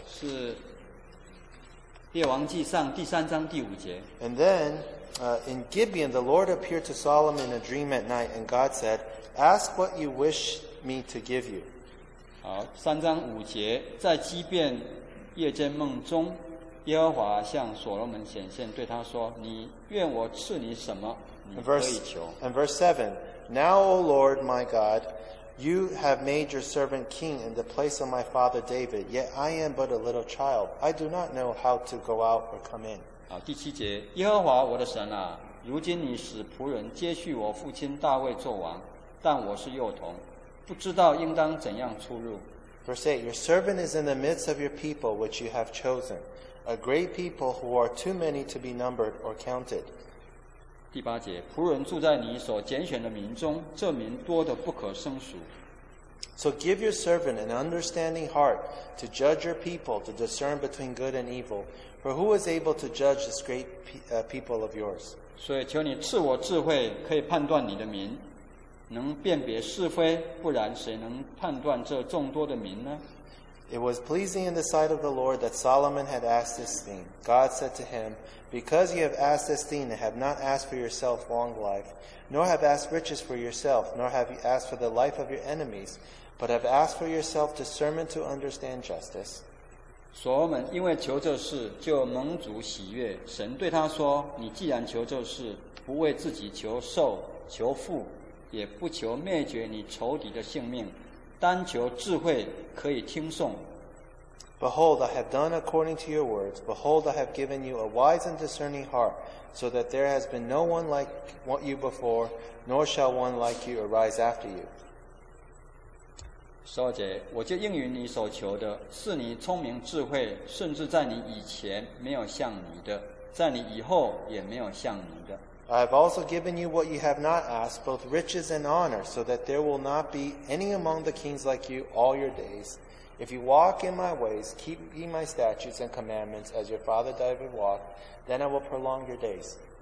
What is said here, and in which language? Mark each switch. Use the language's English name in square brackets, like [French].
[Chinese] 是列王记上第三章第五节。 [English] And then, in Gibeon, the Lord appeared to Solomon in a dream at night, and God said, Ask what you wish me to give you. [Chinese] 三章五节，在基遍夜间梦中，耶和华向所罗门显现，对他说，你愿我赐你什么，你可以求。 [English] And verse 7, Now, O Lord, my God, you have made your servant king in the place of my father David, yet I am but a little child. I do not know how to go out or come in. [Chinese] 啊，第七节，耶和华我的神啊，如今你使仆人接续我父亲大卫作王，但我是幼童，不知道应当怎样出入。 [English] Verse 8, your servant is in the midst of your people which you have chosen, a great people who are too many to be numbered or counted. [Chinese] 第八节，仆人住在你所拣选的民中，这民多得不可胜数。 [English] So give your servant an understanding heart to judge your people, to discern between good and evil. For who is able to judge this great people of yours? [Chinese] 所以求你赐我智慧，可以判断你的民，能辨别是非，不然谁能判断这众多的民呢？ [English] It was pleasing in the sight of the Lord that Solomon had asked this thing. God said to him, Because you have asked this thing and have not asked for yourself long life, nor have asked riches for yourself, nor have you asked for the life of your enemies, but have asked for yourself discernment to understand justice. [Chinese] 所罗门因为求这事就蒙主喜悦，神对他说，你既然求这事，不为自己求寿求富，也不求灭绝你仇敌的性命，单求智慧可以听颂。 [English] Behold, I have done according to your words. Behold, I have given you a wise and discerning heart, so that there has been no one like you before, nor shall one like you arise after you. [Chinese] 十二节，我就应允你所求的，是你聪明智慧，甚至在你以前没有像你的，在你以后也没有像你的。 [English] I have also given you what you have not asked, both riches and honor, so that there will not be any among the kings like you all your days. If you walk in my ways, keep my statutes and commandments as your father David walked, then I will prolong your days.